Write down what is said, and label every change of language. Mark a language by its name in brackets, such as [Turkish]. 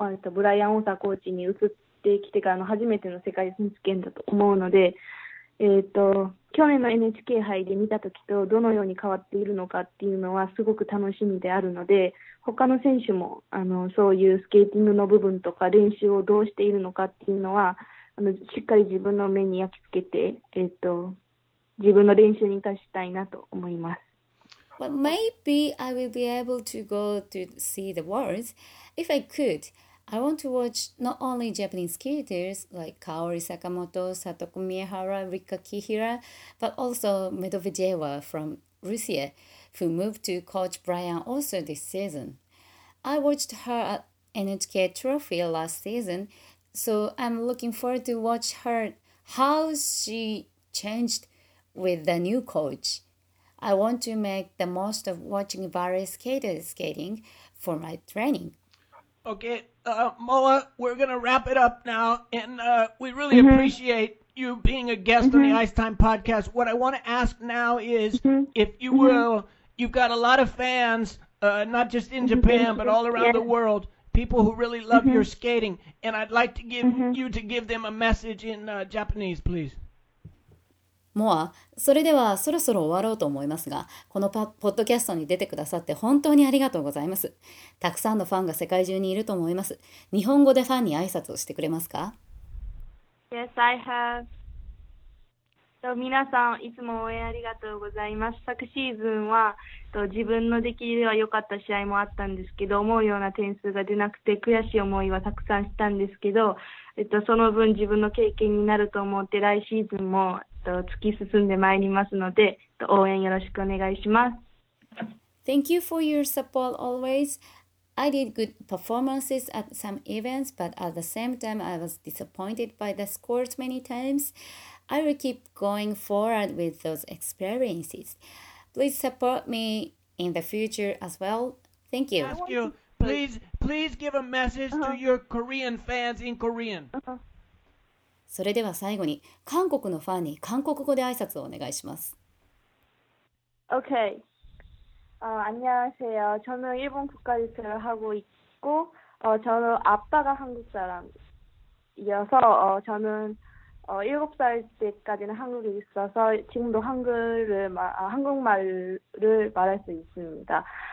[Japanese] ブライアン・オーサーコーチに移ってきてからの初めての世界選手権だと思うので、去年の NHK 杯で見たときとどのように変わっているのかっていうのはすごく楽しみであるので、他の選手もそういうスケーティングの部分とか練習をどうしているのかっていうのはしっかり自分の目に焼き付けて、自分の練習に生かしたいなと思います。 [English] Well, maybe I will be able to go to see the Worlds. If I could, I want to watch not only Japanese skaters like Kaori Sakamoto, Satoko Miyahara, Rika Kihira, but also Medvedeva from Russia, who moved to coach Brian also this season. I watched her at NHK Trophy last season,So I'm looking forward to watch her, how she changed with the new coach. I want to make the most of watching various skaters skating for my training. Okay, Moa, we're going to wrap it up now. And we really appreciate you being a guest on the Ice Time podcast. What I want to ask now is if you will, You've got a lot of fans, not just in Japan, but all around the world. People who really love your skating, and I'd like to give you to give them a message in Japanese, please. [Japanese] もう、それではそろそろ終わろうと思いますが、このポッドキャストに出てくださって本当にありがとうございます。たくさんのファンが世界中にいると思います。日本語でファンに挨拶をしてくれますか？ [English] Yes, I have. [Japanese] 皆さん、いつも応援ありがとうございます。昨シーズンは自分の出来では良かった試合もあったんですけど、思うような点数が出なくて悔しい思いはたくさんしたんですけど、その分自分の経験になると思って来シーズンも突き進んでまいりますので、応援よろしくお願いします。 [English] Thank you for your support always. I did good performances at some events, but at the same time I was disappointed by the scores many times. I will keep going forward with those experiences. Please support me in the future as well. Thank you. Ask you, please give a message to your Korean fans in Korean. [Japanese] それでは最後に韓国のファンに韓国語で挨拶をお願いします。 [Korean] Okay. 안녕하세요. 저는 일본 국가대표를 하고 있고 저는 아빠가 한국 사람이어서 저는 7살 때까지는 한국에 있어서 지금도 한국말을 말할 수 있습니다.